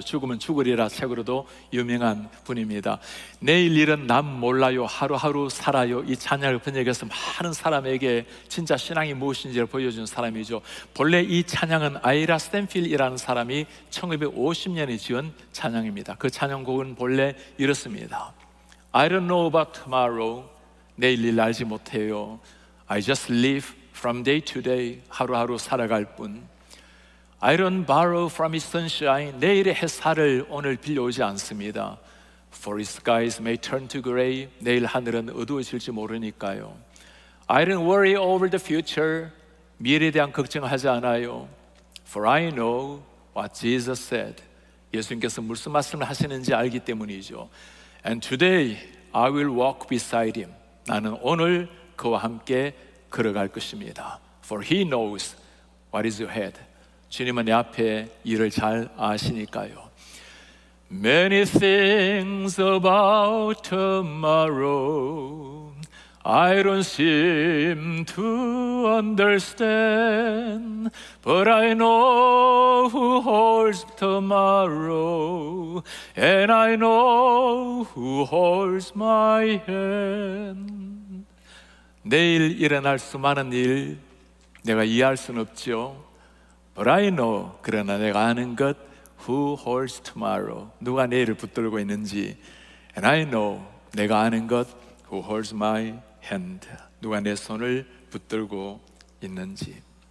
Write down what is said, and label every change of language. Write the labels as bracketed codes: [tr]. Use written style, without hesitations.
[ko] 죽으면 죽으리라 책으로도 유명한 분입니다. 내일 일은 난 몰라요, 하루하루 살아요, 이 찬양을 번역해서 많은 사람에게 진짜 신앙이 무엇인지를 보여준 사람이죠. 본래 이 찬양은 아이라 스탠필이라는 사람이 1950년에 지은 찬양입니다. 그 찬양곡은 본래 이렇습니다. [en] I don't know about tomorrow, [ko] 내일 일 알지 못해요. [en] I just live from day to day, [ko] 하루하루 살아갈 뿐. [en] I don't borrow from his sunshine, [ko] 내일의 햇살을 오늘 빌려오지 않습니다. [en] For his skies may turn to gray, [ko] 내일 하늘은 어두워질지 모르니까요. [en] I don't worry over the future, [ko] 미래에 대한 걱정하지 않아요. [en] For I know what Jesus said, [ko] 예수님께서 무슨 말씀을 하시는지 알기 때문이죠. [en] And today I will walk beside him, [ko] 나는 오늘 그와 함께 걸어갈 것입니다. [en] For he knows what is ahead, [ko] 주님은 내 앞에 일을 잘 아시니까요. [en] Many things about tomorrow I don't seem to understand, but I know who holds tomorrow, and I know who holds my hand. [ko] 내일 일어날 수많은 일 내가 이해할 수는 없죠. [en] But I know, [ko] 그러나 내가 아는 것, [en] who holds tomorrow, [ko] 누가 내일을 붙들고 있는지. [en] And I know, [ko] 내가 아는 것, [en] who holds my hand, [ko] 누가 내 손을 붙들고 있는지.